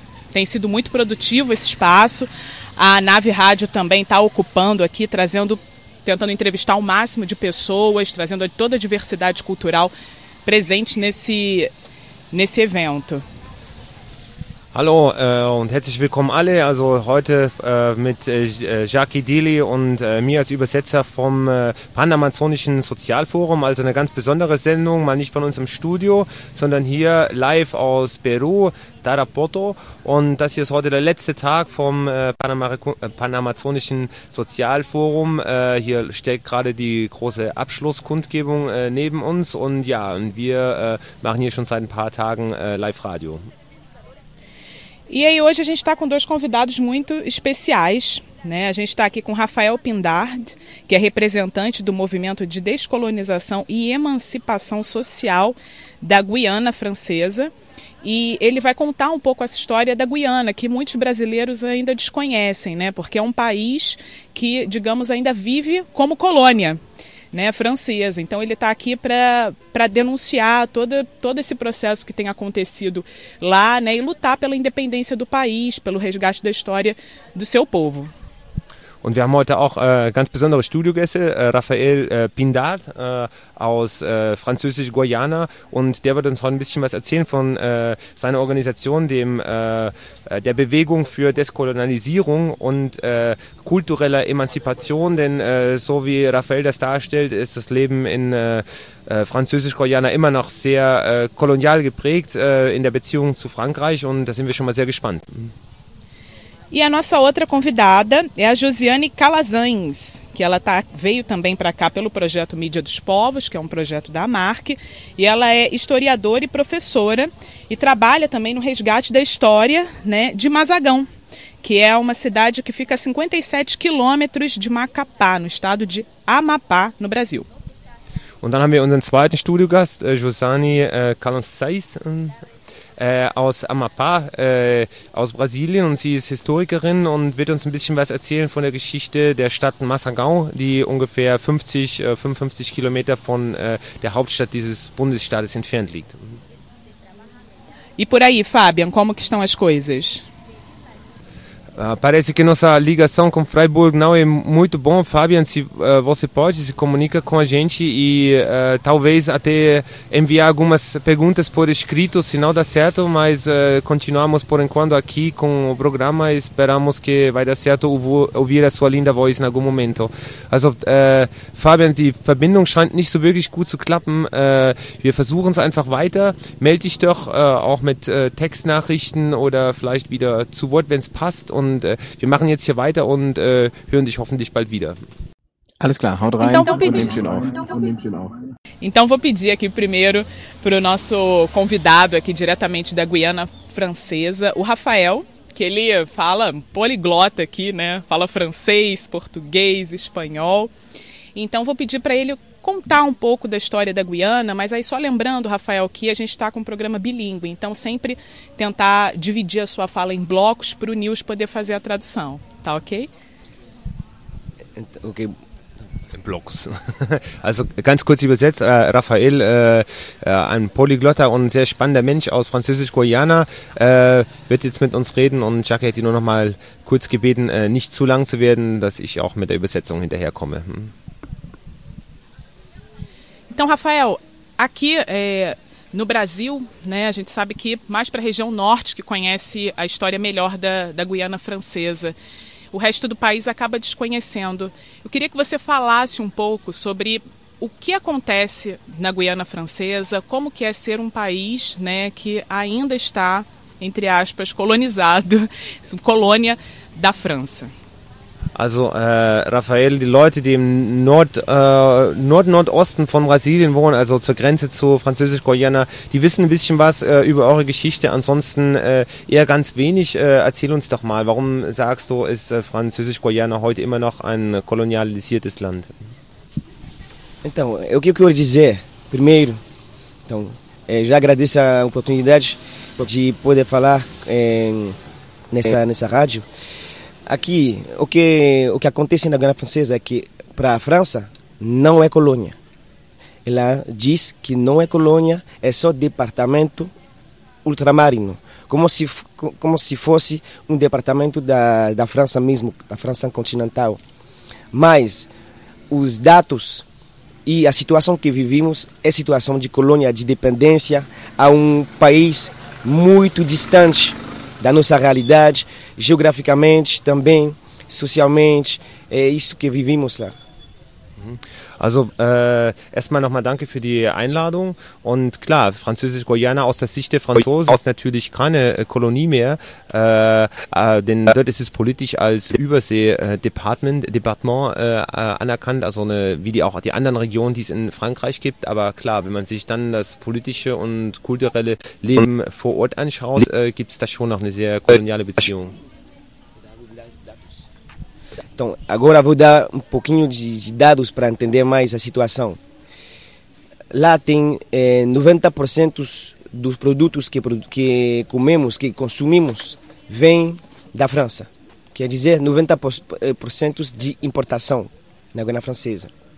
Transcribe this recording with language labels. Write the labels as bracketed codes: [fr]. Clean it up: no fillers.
[pt] Tem sido muito produtivo esse espaço. A Nave Rádio também está ocupando aqui, tentando entrevistar o máximo de pessoas, trazendo toda a diversidade cultural presente nesse evento. [de] Hallo und herzlich willkommen alle. Also heute mit Jackie Dili und mir als Übersetzer vom Panamazonischen Sozialforum. Also eine ganz besondere Sendung, mal nicht von uns im Studio, sondern hier live aus Peru, Tarapoto. Und das hier ist heute der letzte Tag vom Panamazonischen Sozialforum. Hier steckt gerade die große Abschlusskundgebung neben uns. Und ja, und wir machen hier schon seit ein paar Tagen Live-Radio. [pt] E aí hoje a gente está com dois convidados muito especiais, né? A gente está aqui com Rafael Pindard, que é representante do movimento de descolonização e emancipação social da Guiana Francesa. E ele vai contar um pouco essa história da Guiana, que muitos brasileiros ainda desconhecem, né? Porque é um país que, digamos, ainda vive como colônia, né, francesa. Então ele está aqui para denunciar todo esse processo que tem acontecido lá, né, e lutar pela independência do país, pelo resgate da história do seu povo. [de] Und wir haben heute auch ganz besondere Studiogäste, Raphael Pindard aus Französisch-Guayana, und der wird uns heute ein bisschen was erzählen von seiner Organisation, der Bewegung für Deskolonialisierung und kultureller Emanzipation, denn so wie Raphael das darstellt, ist das Leben in Französisch-Guayana immer noch sehr kolonial geprägt in der Beziehung zu Frankreich, und da sind wir schon mal sehr gespannt. [pt] E a nossa outra convidada é a Josiane Calazans, que ela veio também para cá pelo projeto Mídia dos Povos, que é um projeto da AMARC, e ela é historiadora e professora e trabalha também no resgate da história, né, de Mazagão, que é uma cidade que fica a 57 quilômetros de Macapá, no estado de Amapá, no Brasil. [de] E dann haben wir unseren zweiten Studiogast, Josiane Calazans, aus Amapá, aus Brasilien, und sie ist Historikerin und wird uns ein bisschen was erzählen von der Geschichte der Stadt Mazagão, die ungefähr 55 Kilometer von der Hauptstadt dieses Bundesstaates entfernt liegt. [pt] E por aí, Fabian, como que estão as coisas? Parece que nossa ligação com Freiburg não é muito boa. Fabian, você pode se comunicar com a gente e talvez até enviar algumas perguntas por escrito, se não dá certo, mas continuamos por enquanto aqui com o programa e esperamos que vai dar certo ouvir a sua linda voz em algum momento. [de] Also, Fabian, die Verbindung scheint nicht so wirklich gut zu klappen. Wir versuchen es einfach weiter. Melde dich doch auch mit Textnachrichten oder vielleicht wieder zu Wort, wenn es passt. Und wir machen jetzt hier weiter und hören dich hoffentlich bald wieder. Alles klar, haut rein und nehmt schön auf. [pt] Então vou pedir aqui primeiro pro nosso convidado aqui diretamente da Guiana Francesa, o Rafael, que ele fala poliglota aqui, né? Fala francês, português, espanhol. Então, vou pedir para ele contar um pouco da história da Guiana, mas aí só lembrando, Rafael, que a gente está com um programa bilíngue, então sempre tentar dividir a sua fala em blocos para o Nils poder fazer a tradução, tá ok? Ok, em blocos. [de] Also, ganz kurz übersetzt, Rafael, ein Polyglotter und sehr spannender Mensch aus Französisch-Guayana, wird jetzt mit uns reden und Jacques hat ihn nur noch mal kurz gebeten, nicht zu lang zu werden, dass ich auch mit der Übersetzung hinterherkomme. [pt] Então, Rafael, aqui no Brasil, né, a gente sabe que mais para a região norte que conhece a história melhor da Guiana Francesa, o resto do país acaba desconhecendo. Eu queria que você falasse um pouco sobre o que acontece na Guiana Francesa, como que é ser um país, né, que ainda está, entre aspas, colonizado, colônia da França. [de] Also, Rafael, die Leute, die im Nord-Nordosten von Brasilien wohnen, also zur Grenze zu Französisch-Guayana, die wissen ein bisschen was über eure Geschichte, ansonsten eher ganz wenig. Erzähl uns doch mal, warum sagst du, ist Französisch-Guayana heute immer noch ein kolonialisiertes Land? [pt] Então, o que eu quero dizer, primeiro, então, já agradeço a oportunidade de poder falar nessa rádio. Aqui, o que acontece na Guiana Francesa é que, para a França, não é colônia. Ela diz que não é colônia, é só departamento ultramarino, como se fosse um departamento da França mesmo, da França continental. Mas os dados e a situação que vivemos é situação de colônia, de dependência a um país muito distante da nossa realidade, geograficamente, também socialmente, é isso que vivemos lá. [de] Also, erstmal nochmal danke für die Einladung. Und klar, Französisch-Guayana aus der Sicht der Franzosen ist natürlich keine Kolonie mehr, denn dort ist es politisch als Übersee-Departement anerkannt, also wie die auch die anderen Regionen, die es in Frankreich gibt. Aber klar, wenn man sich dann das politische und kulturelle Leben vor Ort anschaut, gibt es da schon noch eine sehr koloniale Beziehung. [pt] Então, agora vou dar um pouquinho de dados para entender mais a situação. Lá tem 90% dos produtos que comemos, que consumimos, vem da França. Quer dizer, 90% de importação na Guiana Francesa.